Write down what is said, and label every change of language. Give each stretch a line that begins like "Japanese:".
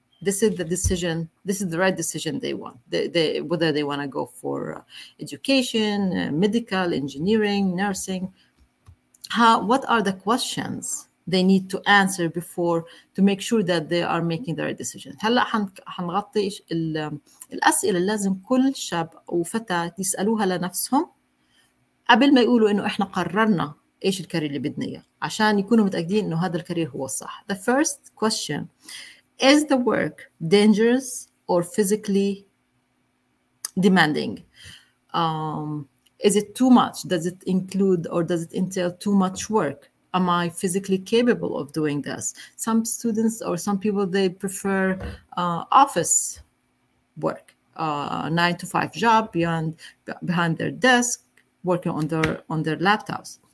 English: This is the decision, this is the right decision they want. Whether they want to go for education, medical, engineering, nursing. What are the questions they need to answer before to make sure that they are making the right decision.
Arabic: هلا حنغطي الأسئلة لازم كل شاب وفتاة يسألوها لنفسهم قبل ما يقولوا إنه إحنا قررنا إيش الكارير اللي بدنا إياه, عشان يكونوا متأكدين إنه هذا الكارير هو الصح.
English: The first question: Is the work dangerous or physically demanding? Is it too much? Does it include or does it entail too much work? Am I physically capable of doing this? Some students or some people, they prefer office work, 9-to-5 job behind their desk, working on their laptops.